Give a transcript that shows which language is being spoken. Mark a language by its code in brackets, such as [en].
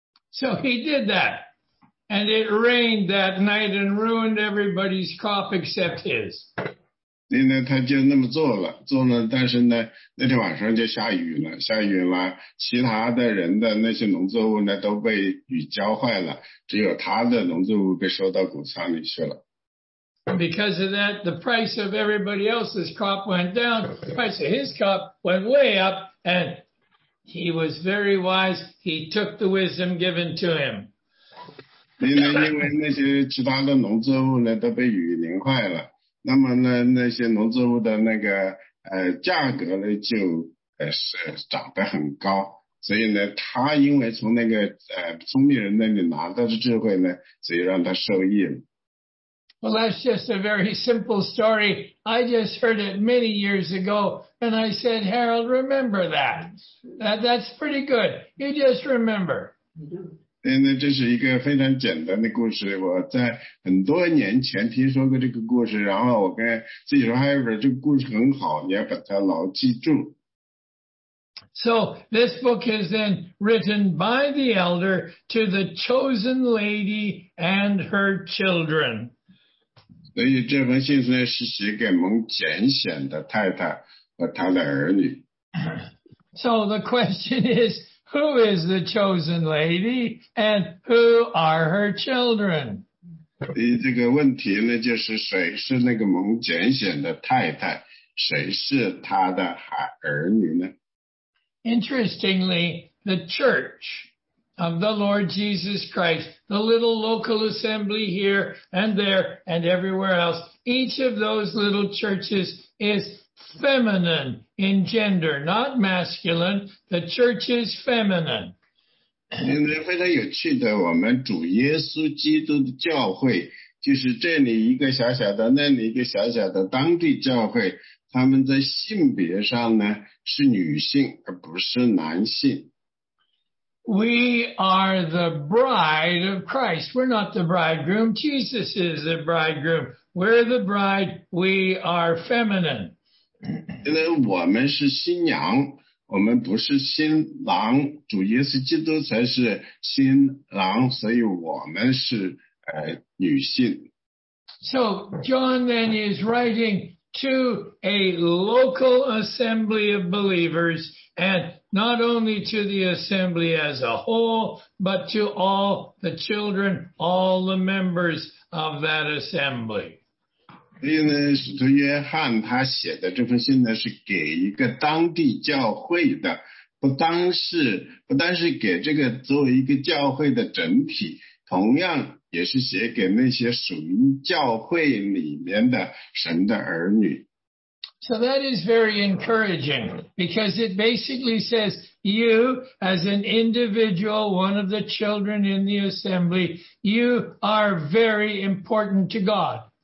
[en] So he did that, and it rained that night and ruined everybody's crop except his. [zh] 所以呢他就那么做了做了但是呢那天晚上就下雨了下雨了其他的人的那些农作物呢都被雨浇坏了只有他的农作物被收到谷仓里去了。 [en] Because of that, the price of everybody else's crop went down, the price of his crop went way up, and he was very wise, he took the wisdom given to him. [zh] 因为那些其他的农作物呢都被雨淋坏了。那么呢那些农作物的那个价格呢就是涨得很高。所以呢他因为从那个聪明人那里拿到的智慧呢所以让他受益了。 [en] Well, that's just a very simple story. I just heard it many years ago, and I said, Harold, remember that. That's pretty good. You just remember. [zh] 这是一个非常简单的故事我在很多年前听说过这个故事然后我跟自己说 Harold 这个故事很好你要把它牢记住。 [en] So this book is then written by the elder to the chosen lady and her children. [zh] 所以这封信呢是写给蒙拣选的太太和她的儿女。 [en] So the question is,Who is the chosen lady and who are her children? [zh] 这个问题呢就是谁是那个蒙拣选的太太谁是她的儿女呢 [en] Interestingly, the church of the Lord Jesus Christ, the little local assembly here and there and everywhere else, each of those little churches isfeminine in gender, not masculine. The church is feminine. [zh] 因为非常有趣的，我们主耶稣基督的教会，就是这里一个小小的，那里一个小小的当地教会，他们在性别上呢，是女性，而不是男性。 [en] We are the bride of Christ. We're not the bridegroom. Jesus is the bridegroom. We're the bride. We are feminine. [zh] 因为我们是新娘我们不是新郎主耶稣基督才是新郎所以我们是女性 [en] So John then is writing to a local assembly of believers and not only to the assembly as a whole but to all the children all the members of that assembly [zh] 所以呢，使徒约翰他写的这封信呢，是给一个当地教会的，不单是给这个作为一个教会的整体，同样也是写给那些属于教会里面的神的儿女。 [en] So that is very encouraging because it basically says you as an individual, one of the children in the assembly, you are very important to God.